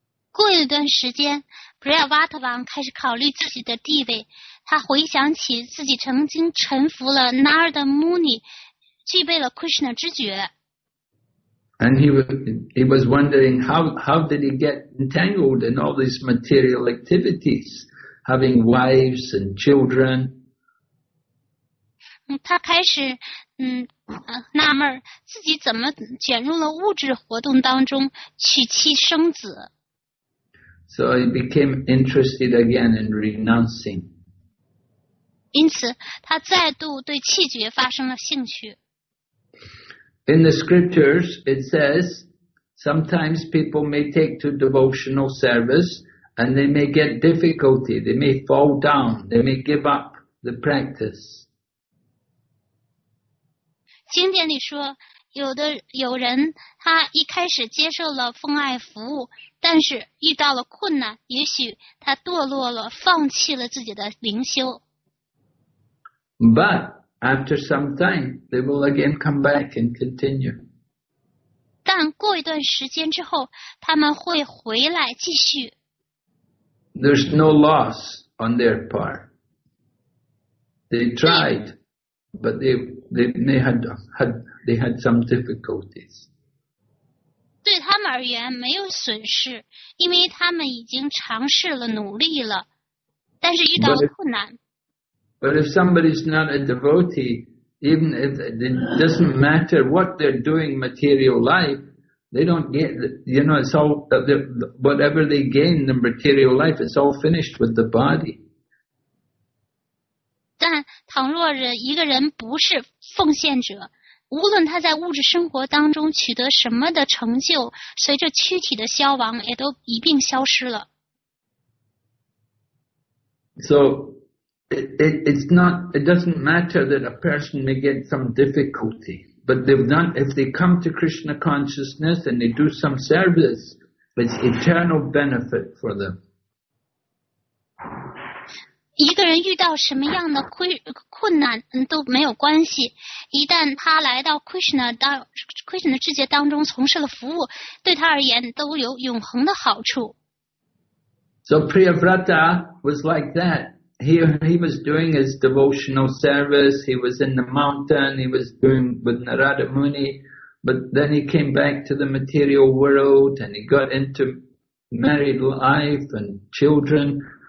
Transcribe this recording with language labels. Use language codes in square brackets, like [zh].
[zh] 过一段时间， Priyavrata 王开始考虑自己的地位，他回想起自己曾经臣服了 Narada Muni， 具备了 Krishna 知觉。 [en] And he was wondering how did he get entangled in all these material activities, having wives and children. [zh] 他开始纳闷自己怎么卷入了物质活动当中，娶妻生子。 [en] So he became interested again in renouncing. [zh] 因此，他再度对弃绝发生了兴趣。 [en] In the scriptures, it says, sometimes people may take to devotional service and they may get difficulty, they may fall down, they may give up the practice. [zh] 经典里说，有人他一开始接受了奉爱服务，但是遇到了困难，也许他堕落了，放弃了自己的灵修。 [en] But,after some time, they will again come back and continue. [zh] 但过一段时间之后，他们会回来继续。 [en] There's no loss on their part. They tried, but they had some difficulties. [zh] 对他们而言没有损失，因为他们已经尝试了努力了，但是遇到了困难。 [en] But if somebody's not a devotee, even if it doesn't matter what they're doing material life, they don't get, you know, it's all, whatever they gain in material life, it's all finished with the body. [zh] 但倘若一个人不是奉献者，无论他在物质生活当中取得什么的成就，随着躯体的消亡也都一并消失了。 [en] So,It doesn't matter that a person may get some difficulty, but they've done, if they come to Krishna consciousness and they do some service, it's eternal benefit for them. [zh] 一个人遇到什么样的困难都没有关系，一旦他来到 Krishna 的知觉当中从事了服务，对他而言都有永恒的好处。 [en] So Priyavrata was like that. He was doing his devotional service, he was in the mountain, he was doing with Narada Muni, But then he came back to the material world and he got into married life and children.